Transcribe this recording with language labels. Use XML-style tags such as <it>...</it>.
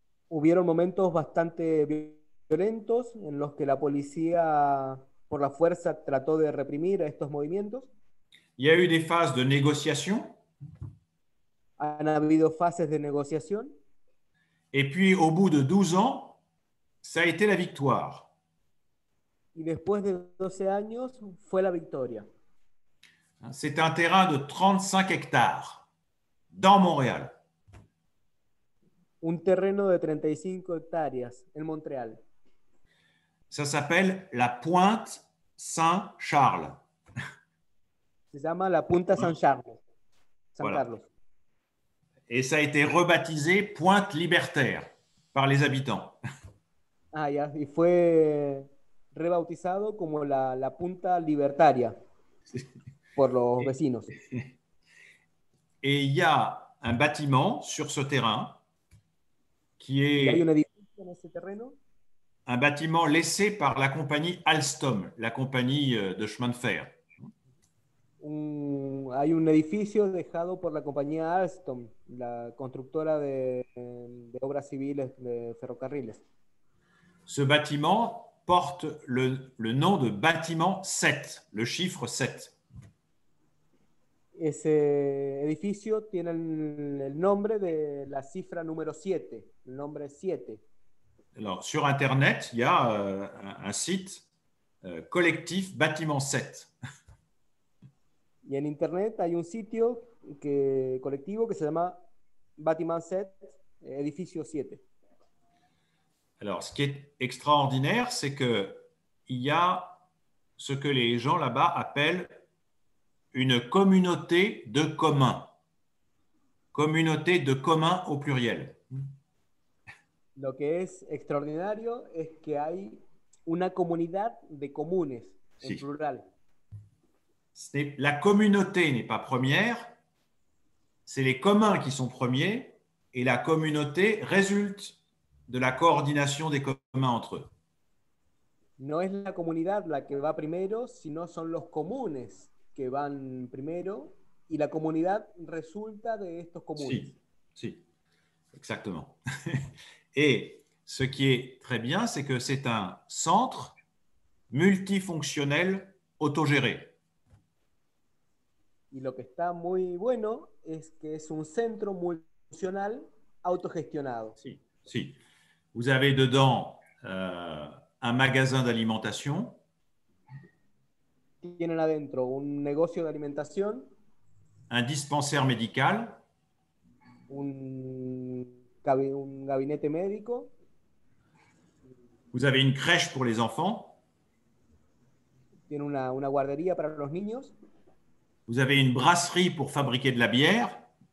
<es>Hubieron momentos bastante violentos en los que la policía por la fuerza trató de reprimir estos movimientos.</es> <fr>Il y a eu des phases de négociation.</fr> <es>Han habido fases de negociación.</es> <fr>Et puis au bout de 12 ans, ça a été la victoire.</fr> <es>Y después de 12 años fue la victoria.</es> <fr>C'est un terrain de 35 hectares dans Montréal.</fr> <es>Un terreno de 35 hectáreas en Montreal.</es> <fr>Ça s'appelle la Pointe Saint-Charles.</fr> <es>Se llama la Punta Saint-Charles. San</es> <fr>voilà.</fr> <es>Carlos.</es> <fr>Et ça a été rebaptisé Pointe Libertaire par les habitants.</fr> <es>Ah, ya, y fue rebautizado como la Punta Libertaria por los vecinos.</es> <fr>Et il y a un bâtiment sur ce terrain qui est un bâtiment laissé par la compagnie Alstom, la compagnie de chemin de fer.</fr> <es>Hay un edificio dejado por la compañía Alstom, la constructora de obras civiles de ferrocarriles.</es> <fr>Ce bâtiment porte le nom de bâtiment 7, le chiffre 7.</fr> <es>Ese edificio tiene el nombre de la cifra número 7, el nombre 7.</es> <fr>Alors, sur Internet, il y a un site collectif bâtiment 7.</fr> <es>Y en Internet hay un sitio colectivo que se llama Batiman 7, edificio 7.</es> <fr>Alors, ce qui est extraordinaire, c'est qu'il y a ce que les gens là-bas appellent une communauté de communs. Communauté de communs au pluriel.</fr> <es>Lo que es extraordinario es que hay una comunidad de comunes en sí. Plural.</es> <fr>La communauté n'est pas première, c'est les communs qui sont premiers et la communauté résulte de la coordination des communs entre eux.</fr> <es>No es la comunidad la que va primero, sino son los comunes que van primero y la comunidad resulta de estos comunes. Sí, sí, exactement.</es> <fr>Et ce qui est très bien, c'est que c'est un centre multifonctionnel autogéré.</fr> <es>Y lo que está muy bueno es que es un centro multifuncional autogestionado. Sí, sí.</es> <fr>Vous avez dedans un magasin d'alimentation.</fr> <es>Tienen adentro un negocio de alimentación.</es> <fr>Un dispensaire médical.</fr> <es>Un gabinete médico.</es> <fr>Vous avez une crèche pour les enfants.</fr> <es>Tiene una guardería para los niños.</es> <fr>Vous avez une brasserie pour fabriquer de la bière.</fr>